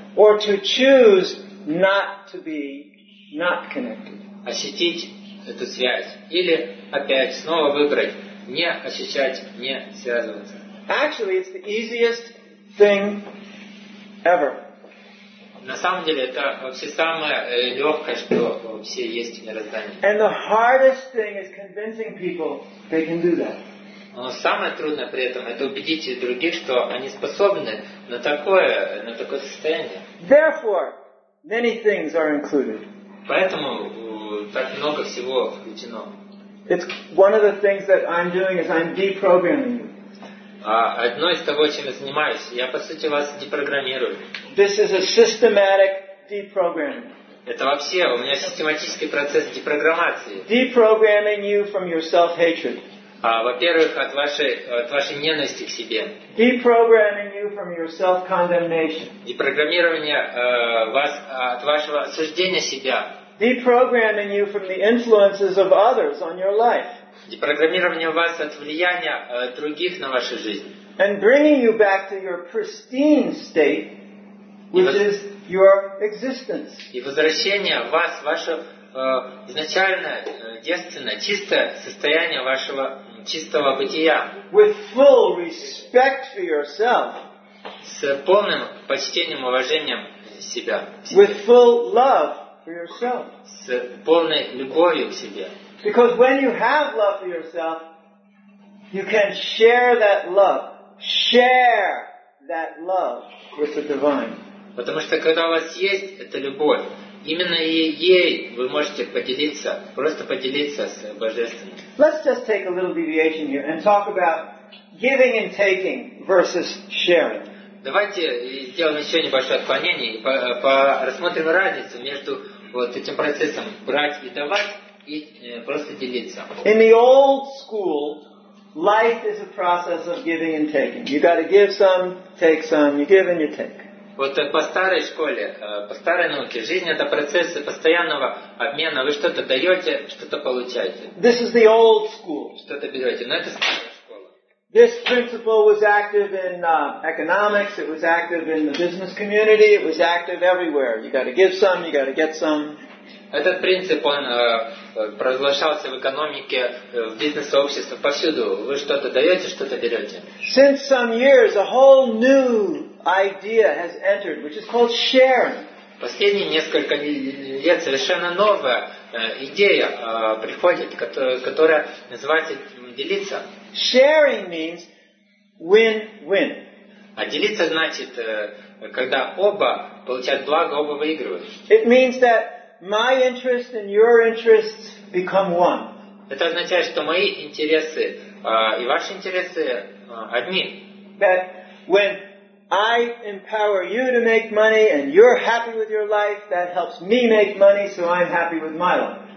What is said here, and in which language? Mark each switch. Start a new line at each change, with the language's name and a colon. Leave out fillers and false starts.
English: Or to choose not to be not connected.
Russian: Ощутить эту связь. Или опять снова выбрать не ощущать, не связываться.
English: Actually, it's the easiest thing ever.
Russian: На самом деле, это вообще самое легкое, что вообще есть в мироздании.
English: And the hardest thing is convincing people they can do that.
Russian: Но самое трудное при этом, это убедить других, что они способны на такое состояние.
English: Therefore, many things are included.
Russian: Поэтому так много всего включено.
English: It's one of the things that I'm doing is I'm deprogramming you.
Russian: Одно из того, чем я занимаюсь, я по сути вас депрограммирую.
English: This is a systematic deprogramming.
Russian: Это вообще у меня систематический процесс депрограммации.
English: Deprogramming you from your self-hatred.
Russian: Во-первых, от вашей ненависти к себе.
English: Deprogramming you from your self-condemnation.
Russian: Депрограммирование вас от вашего осуждения себя.
English: Deprogramming you from the influences of others on your life.
Russian: Депрограммирование вас от влияния других на вашу жизнь.
English: And bringing you back to your pristine state, which is your existence.
Russian: И возвращение вас в ваше изначальное, девственное, чистое состояние вашего чистого бытия.
English: With full respect for yourself.
Russian: С полным почтением, уважением себя.
English: With full love for yourself.
Russian: С полной любовью к себе.
English: Because when you have love for yourself, you can share that love. Share that love with the divine.
Russian: Потому что когда у вас есть эта любовь, именно ей вы можете поделиться, просто поделиться с Божественным.
English: Let's just take a little deviation here and talk about giving and taking versus sharing.
Russian: Давайте сделаем еще небольшое отклонение и рассмотрим разницу между вот этим процессом брать и давать.
English: In the old school, life is a process of giving and taking. You got to give some, take some. You give and you take.
Russian: Вот по старой школе, по старой науке, жизнь это процесс постоянного обмена. Вы что-то даете, что-то получаете.
English: This is the old school.
Russian: Что-то берете. Но это старая школа.
English: This principle was active in economics. It was active in the business community. It was active everywhere. You got to give some. You got to get some.
Russian: Этот принцип, он провозглашался в экономике, в бизнес-сообществе, повсюду. Вы что-то даете, что-то берете.
English: Since some years, a whole new idea has entered, which is called sharing.
Russian: Последние несколько лет совершенно новая идея приходит, которая называется делиться.
English: Sharing means win-win.
Russian: А делиться значит, когда оба получают благо, оба выигрывают.
English: It means that my interests and your interests become one.
Russian: Это означает, что мои интересы и ваши интересы одни.
English: That when I empower you to make money and you're happy with your life, that helps me make money, so I'm happy with my life.